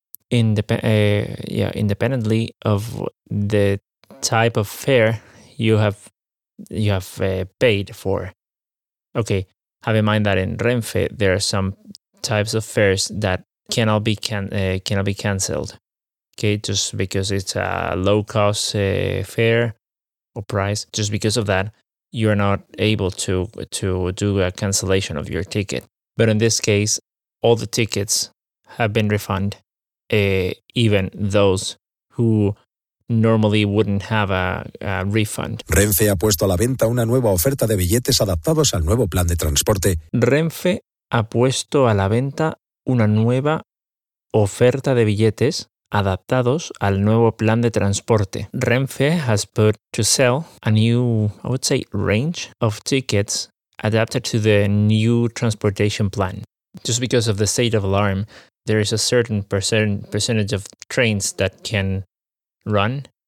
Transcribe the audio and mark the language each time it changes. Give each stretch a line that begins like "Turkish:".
English: Independently of the type of fare you have paid for. Okay. have in mind that in Renfe, there are some types of fares that cannot be canceled. Okay, just because it's a low-cost fare or price, just because of that, you're not able to do a cancellation of your ticket. But in this case, all the tickets have been refunded, even those who normally wouldn't have a refund.
Spanish: Renfe ha puesto a la venta una nueva oferta de billetes adaptados al nuevo plan de transporte. Renfe ha puesto a la venta una nueva oferta de billetes adaptados al nuevo plan de transporte.
English: Renfe has put to sell a new, I would say, range of tickets adapted to the new transportation plan. Just because of the state of alarm, there is a certain percentage of trains that can run.